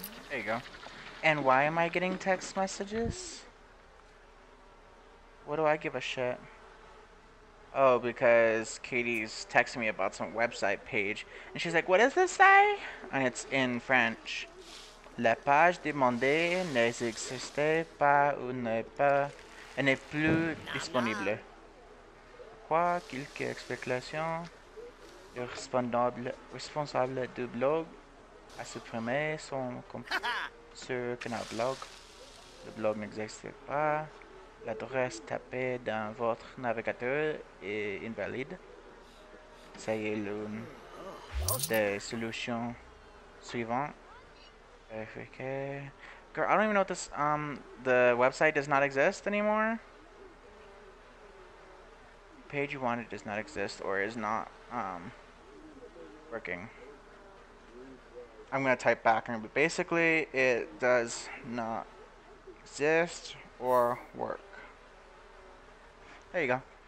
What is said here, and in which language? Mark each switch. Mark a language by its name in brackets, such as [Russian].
[English] There you go. And why am I getting text messages? What do I give a shit? Oh, because Katie's texting me about some website page. And she's like, what does this say? And it's in French. [French] La page demandée n'existe pas ou n'est pas. Elle n'est plus disponible. Quoi, quelques explications. Le responsable du blog a supprimé son sur Canal Blog. Le blog n'existe pas. L'adresse tapée dans votre navigateur est invalide. C'est l'une des solutions suivantes. FK. [English] Girl, I don't even know if this, the website does not exist anymore. Page you wanted does not exist or is not, working. I'm gonna type back, but basically it does not exist or work. There you go.